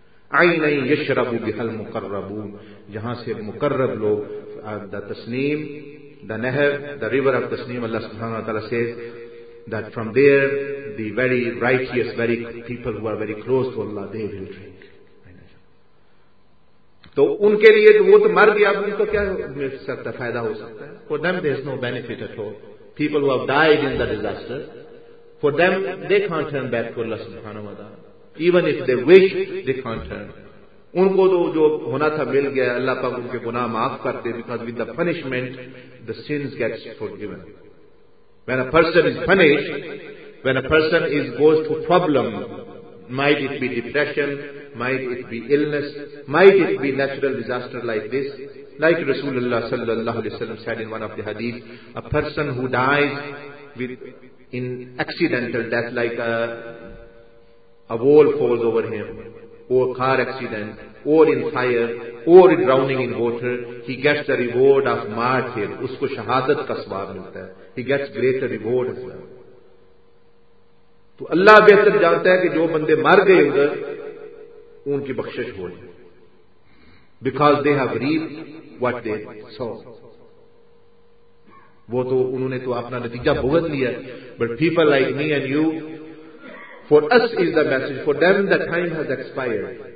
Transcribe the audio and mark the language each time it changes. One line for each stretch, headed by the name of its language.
Arabic: عینین یشرب بہا المقربون,
Urdu: جہاں سے مقرب لوگ,
English: the Tasnim, the nahr, the river of Tasnim, اللہ سبحانہ وتعالیٰ says that from there the very righteous, very people who are very close to Allah, they will drink.
Urdu: تو ان کے لیے تو وہ تو مر گیا, ان کو کیا سکتا فائدہ ہو سکتا ہے.
English: For them there is no benefit at all. People who have died in the disaster, for them they can't turn back to Allah subhanahu wa ta'ala. Even if they wish, they can't turn.
Urdu: ان کو تو جو ہونا تھا مل گیا, اللہ پاک ان کے گناہ معاف کرتے,
English: because with the punishment the sins gets forgiven. When a person is punished, when a person is goes to problem, might it be depression, might it be illness, might it be natural disaster like this, like Rasulullah sallallahu alaihi wasallam said in one of the hadith, a person who dies with in accidental death, like a wall falls over him, or car accident, or in fire, or in drowning in water, he gets the reward of martyr,
Urdu: usko shahadat ka sawab milta hai,
English: he gets greater reward as well.
Urdu: تو اللہ بہتر جانتا ہے کہ جو بندے مر گئے ادھر ان کی بخشش ہو جائے,
English: because they have reaped what they sow.
Urdu: وہ تو انہوں نے تو اپنا نتیجہ بھگت لیا.
English: But people like me and you, for us is the message, for them the time has expired.